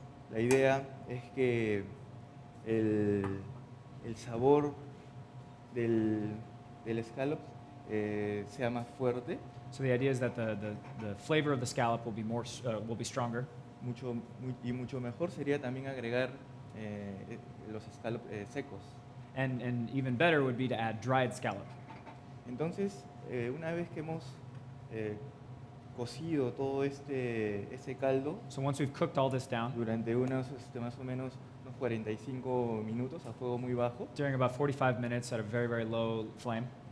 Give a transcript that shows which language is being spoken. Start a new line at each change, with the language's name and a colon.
Spanish: La idea es que el sabor del scallop sea más fuerte.
English: So the idea is that the flavor of the scallop will be more will be stronger.
Spanish: Mucho mejor sería también agregar los scallops secos.
English: And even better would be to add dried scallop.
Spanish: Entonces, una vez que hemos cocido todo ese caldo.
English: So once we've cooked all this down.
Spanish: Durante unos más o menos unos 45 minutos a fuego muy bajo.
English: During about 45 minutes at a very very low flame.